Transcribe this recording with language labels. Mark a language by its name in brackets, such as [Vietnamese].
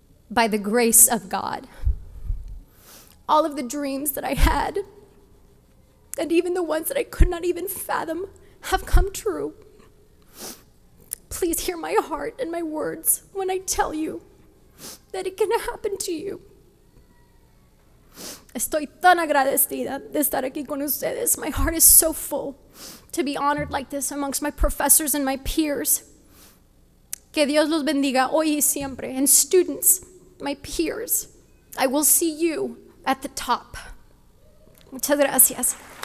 [English] By the grace of God, all of the dreams that I had, and even the ones that I could not even fathom, have come true. Please hear my heart and my words when I tell you that it can happen to you. [Spanish] Estoy tan agradecida de estar aquí con ustedes. [English] My heart is so full to be honored like this amongst my professors and my peers. [Spanish] Que Dios los bendiga hoy y siempre. [English] And students, my peers, I will see you at the top. [Spanish] Muchas gracias.